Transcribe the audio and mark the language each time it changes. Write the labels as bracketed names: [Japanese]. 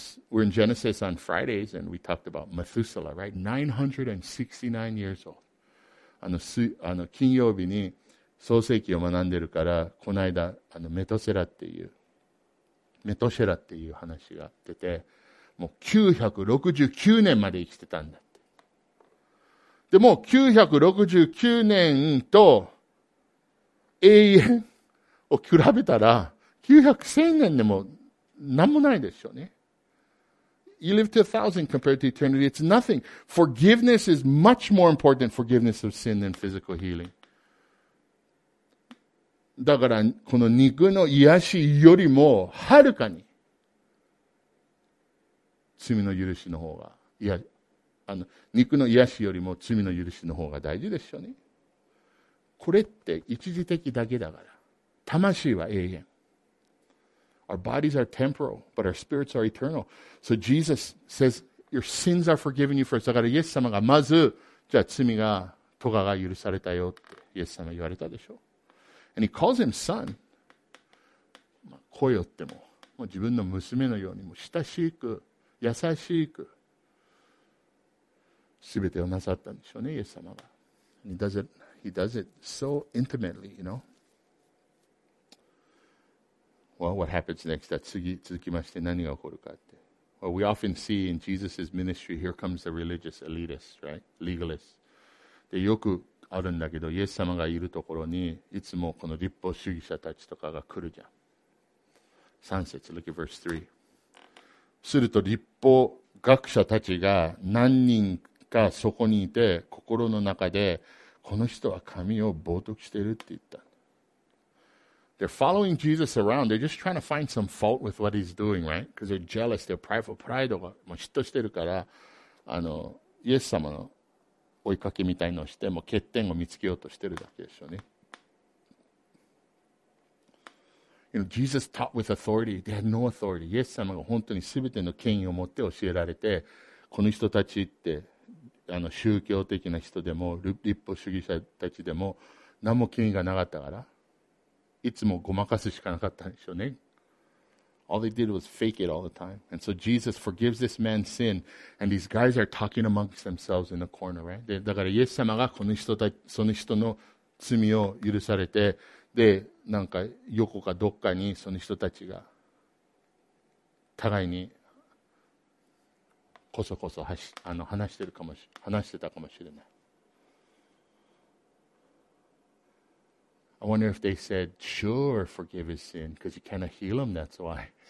[English] We're in Genesis on Fridays and we talked about Methuselah, right? 969 years old. [Japanese] あの金曜日に創世記を学んでるから、この間、メトセラっていう話が出て、もう969年まで生きてたんだって。でも969年と永遠を比べたら900、1000年でも何もないでしょうね。 [English] You live to 1000 compared to eternity. It's nothing. Forgiveness is much more important forgiveness of sin than physical healing. [Japanese] だから、この肉の癒しよりも、はるかに、罪の許しの方が、いや、肉の癒しよりも罪の許しの方が大事でしょうね。これって一時的だけだから。魂は永遠。 [English] Our bodies are temporal, but our spirits are eternal. So Jesus says, your sins are forgiven you first. [Japanese] だからイエス様がまず、じゃあ罪が、咎が許されたよってイエス様言われたでしょ。 [English] And he calls him son. [Japanese] まあ、こう言っても、もう自分の娘のようにも親しく、優しく、すべてをなさったんでしょうね、イエス様が。 [English] He does it so intimately, you know. Well, what happens next? [Japanese] 続きまして何が起こるかって。 [English] Well, we often see in Jesus' ministry, here comes the religious elitists, right? Legalists. [Japanese] で、よくあるんだけど、イエス様がいるところに、いつもこの立法主義者たちとかが来るじゃん。 3節、 [English] look at verse 3. [Japanese] すると立法学者たちが何人かそこにいて、心の中で、この人は神を冒涜しているって言った。 [English] They're following Jesus around. They're just trying to find some fault with what he's doing, right? Because they're jealous. They're prideful. [Japanese] Pride が嫉妬してるから、イエス様の追いかけみたいのをして、もう欠点を見つけようとしてるだけでしょうね。 [English] You know, Jesus taught with authority. They had no authority. [Japanese] イエス様が本当に全ての権威を持って教えられて、この人たちって、宗教的な人でも、立法主義者たちでも、何も権威がなかったから、いつもごまかすしかなかったんでしょうね。 [English] All they did was fake it all the time. And so Jesus forgives this man's sin, and these guys are talking amongst themselves in the corner, right? [Japanese] で、だからイエス様がこの人たち、その人の罪を許されて、で、なんか横かどっかにその人たちが互いにこそこそ話してたかもしれない。 [English] I wonder if they said, sure, forgive his sin, because you cannot heal him, that's why.